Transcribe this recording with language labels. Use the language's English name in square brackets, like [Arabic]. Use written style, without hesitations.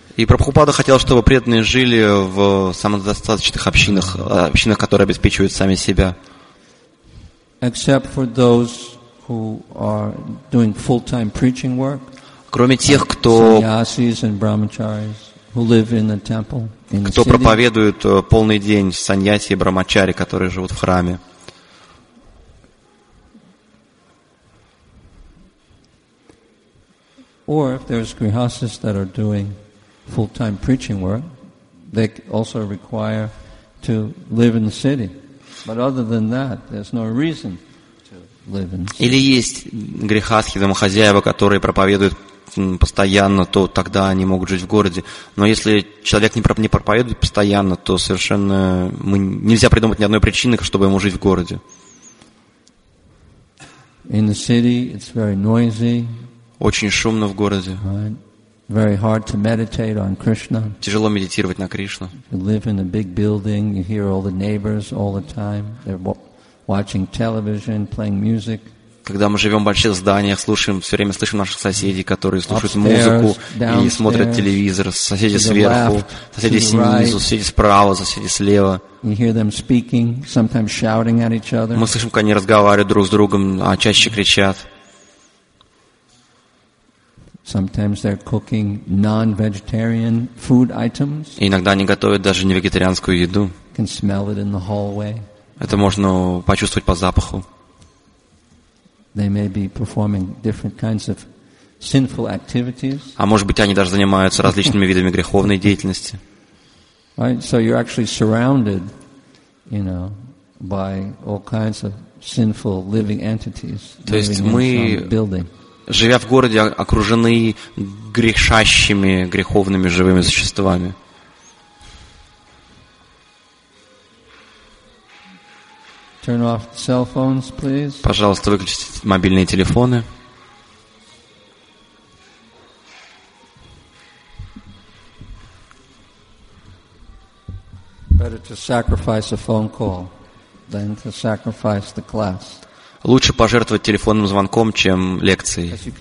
[Russian] И Прабхупада хотел, чтобы преданные жили в самодостаточных общинах, общинах, которые обеспечивают сами себя. [English] Except for those who are doing full-time preaching work. [Russian] Кроме тех, кто [English] саньясис and брахмачарис, who live in the temple, in [Russian] кто проповедует полный день, саньяси и брахмачари, которые живут в храме. [English] Or if there's grihasthas that are doing full-time preaching work, they also require to live in the city. But other than that, there's no reason to live in the city. [Russian] Или есть грехасхи, домохозяева, которые проповедуют постоянно, то тогда они могут жить в городе. Но если человек не проповедует постоянно, то совершенно нельзя придумать ни одной причины, чтобы ему жить в городе. [English] In the city, it's very noisy. [Russian] Очень шумно в городе. [English] Very hard to meditate on Krishna. [Russian] Тяжело медитировать на Кришну. [English] You live in a big building. You hear all the neighbors all the time. They're watching television, playing music. [Russian] Когда мы живем в больших зданиях, слушаем все время слышим наших соседей, которые слушают музыку и смотрят телевизор. Соседи сверху, соседи снизу, соседи справа, соседи слева. [English] You hear them speaking, sometimes shouting at each other. [Russian] Мы слышим, как они разговаривают друг с другом, а чаще кричат. [English] Sometimes they're cooking non-vegetarian food items. [Russian] Иногда они готовят даже не вегетарианскую еду. [English] Can smell it in the hallway. [Russian] Это можно почувствовать по запаху. [English] They may be performing different kinds of sinful activities. [Russian] А может быть, они даже занимаются различными видами греховной деятельности. [English] Right, so you're actually surrounded, you know, by all kinds of sinful living entities. [Russian] То есть мы [English] building. [Russian] Живя в городе, окружены грешащими, греховными живыми существами. [English] Turn off cell phones, please. [Russian] Пожалуйста, выключите мобильные телефоны. [English] Better to sacrifice a phone call than to sacrifice the class. [Russian] Лучше пожертвовать телефонным звонком, чем лекцией.